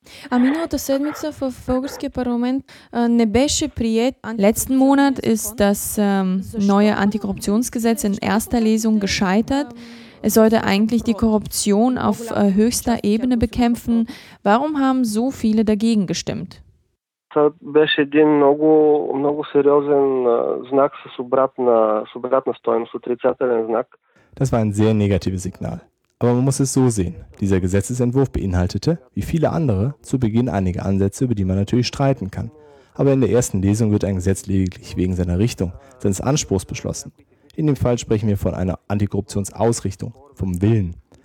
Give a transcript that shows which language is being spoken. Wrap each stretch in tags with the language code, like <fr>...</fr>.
<bg>А миналата седмица в българския парламент не беше приет.</bg> <de>Letzten Monat ist das neue Antikorruptionsgesetz in erster Lesung gescheitert. Es sollte eigentlich die Korruption auf höchster Ebene bekämpfen. Warum haben so viele dagegen gestimmt?</de> <bg>Това беше един много, много сериозен знак с обратна стойност, отрицателен знак.</bg> <de>Das war ein sehr negatives Signal. Aber man muss es so sehen. Dieser Gesetzentwurf beinhaltete, wie viele andere, zu Beginn einige Ansätze, über die man natürlich streiten kann. Aber in der ersten Lesung wird ein Gesetz lediglich wegen seiner Richtung, seines Anspruchs beschlossen. In dem Fall sprechen wir von einer Antikorruptionsausrichtung, vom Willen.</de>